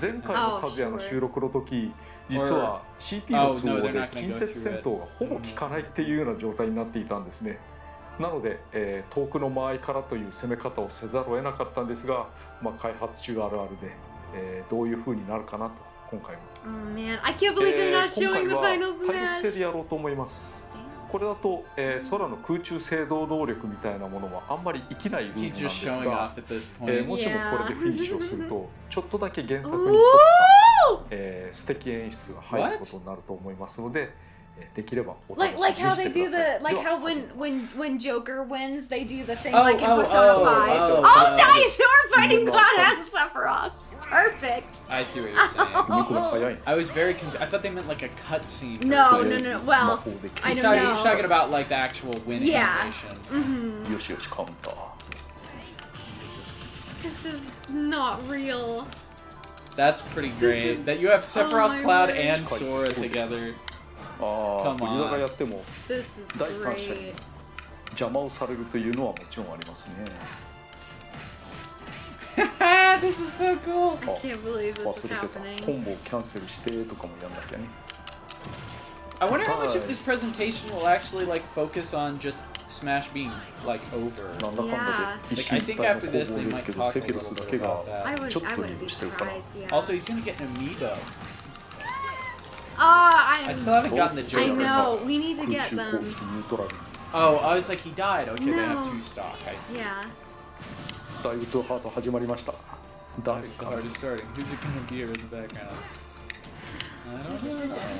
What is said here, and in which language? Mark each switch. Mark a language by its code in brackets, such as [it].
[ja] 前回のカズヤの収録の時、実は CPU の都合で近接戦闘がほぼ効かないっていうような状態になっていたんですね。なので、遠くの間合いからという攻め方をせざるを得なかったんですが、まあ、開発中あるあるで、どういう風になるかなと今回も。 [en] Oh man, I can't believe they're not showing the final smash. [ja] 今回は体力制でやろうと思います。これだと、空の空中制動能力みたいなものはあんまり生きない部分なんですが、もしもこれでフィニッシュをするとちょっとだけ原作に沿った、素敵演出が入ることになると思いますので、できればお楽しみにしてください。 [en] like, like how when Joker wins, they do the thing like in Persona 5. Oh, nice! You're fighting God and Sephiroth! Perfect! I see what you're saying. I was very confused. I thought they meant like a cutscene. No. Well, I don't know. You're talking about like the actual win animation. Yoshi Yoshi Kanta. This is not real. That's pretty great. That you have Sephiroth, Cloud, and Sora together. [ja] あ、いながらやっても第三者に邪魔をされるというのはもちろんありますね。 [en] This is so cool. I can't believe this is happening. [ja] コンボをキャンセルしてとかもやんなきゃね。 [en] I wonder how much of this presentation will actually like focus on just Smash being like over. [ja] なんだかんだで一瞬一体の攻防ですけど、セフィロスだけがちょっとリードしてるから。 [en] Also, he's gonna get an amiibo. I still haven't gotten the joke. I know, we need to get them. Oh, I was like, he died. Okay, no. They have two stock, I see. Yeah. Dive to Heart has started. Dive to Heart is starting. Who's it going to be in the background? I don't know.